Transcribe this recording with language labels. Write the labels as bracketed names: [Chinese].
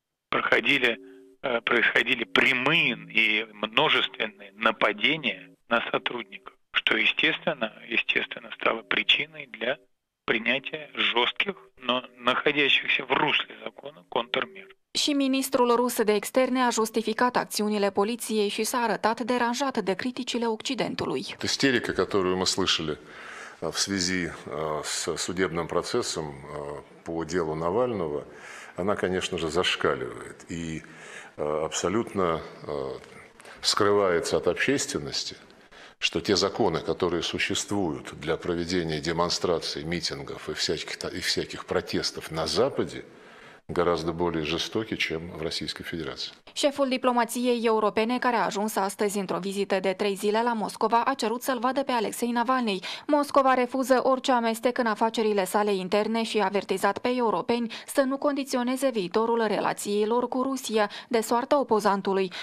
[Russian] Происходили прямые и множественные нападения на сотрудников, что, естественно, стало причиной для принятия жестких, но находящихся в русле закона контрмер. [Romanian] Și ministrul rus de externe a justificat acțiunile poliției și s-a arătat deranjat de criticile Occidentului. [Russian] Истерика, которую мы слышали в связи с судебным процессом по делу Навального, она, конечно же, зашкаливает и абсолютно скрывается от общественности, что те законы, которые существуют для проведения демонстраций, митингов и всяких протестов на Западе, гораздо более жестоки, чем в Российской Федерации. [Romanian] Șeful diplomației europene, care a ajuns astăzi într-o vizită de 3 zile la Moscova, a cerut să-l vadă pe Alexei Navalny. Moscova refuză orice amestec în afacerile sale interne și a avertizat pe europeni să nu condiționeze viitorul relațiilor cu Rusia de soarta opozantului.